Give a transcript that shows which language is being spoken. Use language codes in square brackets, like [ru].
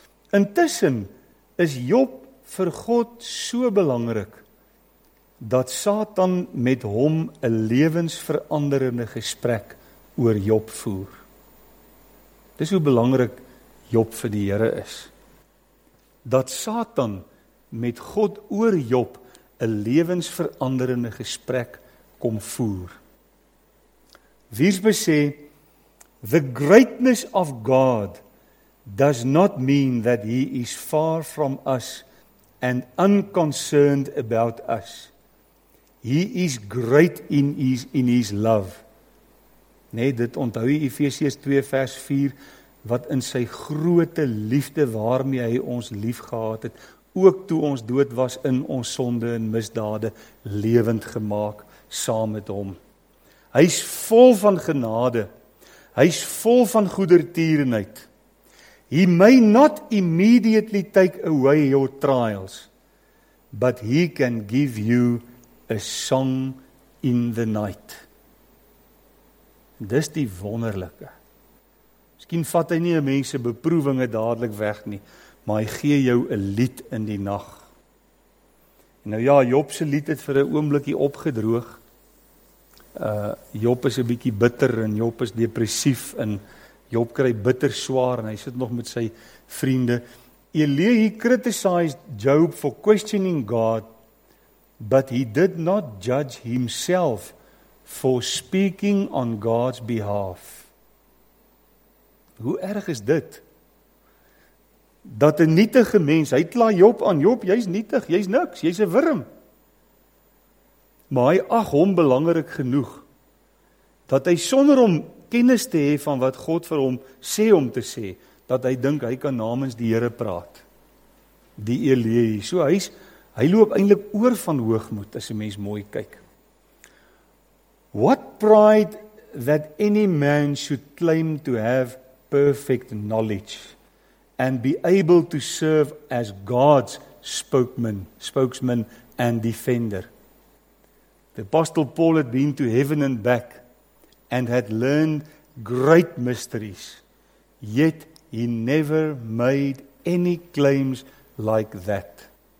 [af] Intussen is Job vir God so belangrik, dat Satan met hom 'n lewensveranderende gesprek oor Job voer. Dis hoe belangrik Job vir die Here is. Dat Satan met God oor Job 'n lewensveranderende gesprek kom voer. [en] Wiersbe sê, "The greatness of God does not mean that he is far from us and unconcerned about us. He is great in his love." [af] Nee, dit onthou jy Efesiërs 2 vers 4, wat in sy grote liefde waarmee hy ons lief gehad het, ook toe ons dood was in ons sonde en misdade, lewend gemaak saam met hom. Hy is vol van genade, hy is vol van goedertierenheid. [en] He may not immediately take away your trials, but he can give you a song in the night. [af] Dis die wonderlike. Miskien vat hy nie 'n mens se beproewinge dadelik weg nie, maar hy gee jou 'n lied in die nag. Nou ja, Job se lied het vir 'n oomblikie opgedroog. Job is 'n bietjie bitter en Job is depressief en Job kry bitter swaar en hy sit nog met sy vriende. [en] Elihu criticized Job for questioning God, but he did not judge himself for speaking on God's behalf. [af] Hoe erg is dit? Dat 'n nietige mens, hy kla Job aan, Job, jy's nietig, jy's niks, jy's 'n wurm. Maar hy ag hom belangrik genoeg, dat hy sonder om kennis te hê van wat God vir hom sê om te sê, dat hy dink hy kan namens die Here praat. Die Elihu, so hy loop eintlik oor van hoogmoed as 'n mens mooi kyk. [en] What pride that any man should claim to have perfect knowledge and be able to serve as God's spokesman and defender. The apostle Paul had been to heaven and back and had learned great mysteries, yet he never made any claims like that.